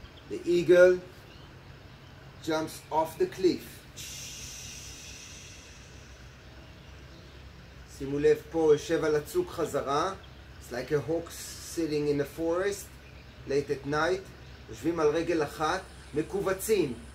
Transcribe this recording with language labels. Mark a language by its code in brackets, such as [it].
[en] The eagle jumps off the cliff. [he] שימו לב, פה יושב על הצוק חזרה. [en] It's like a hawk sitting in the forest late at night. [he] יושבים על רגל אחת, מקובצים.